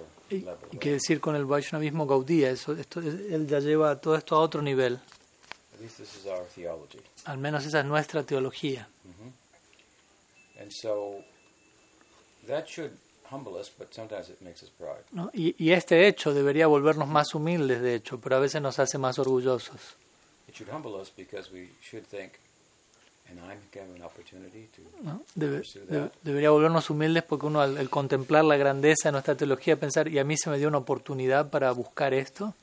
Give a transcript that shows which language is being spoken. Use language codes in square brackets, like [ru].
[es] Y quiere decir con el vaishnavismo gaudía, él ya lleva todo esto a otro nivel. [en] This is our theology. [es] Al menos esa es nuestra teología. Mm-hmm. [en] And so that should humble us, but sometimes it makes us proud. [es] No, y este hecho debería volvernos más humildes, de hecho, pero a veces nos hace más orgullosos. [en] It should humble us because we should think, and I'm given an opportunity to. [es] No, debería volvernos humildes porque uno al contemplar la grandeza de nuestra teología pensar, y a mí se me dio una oportunidad para buscar esto.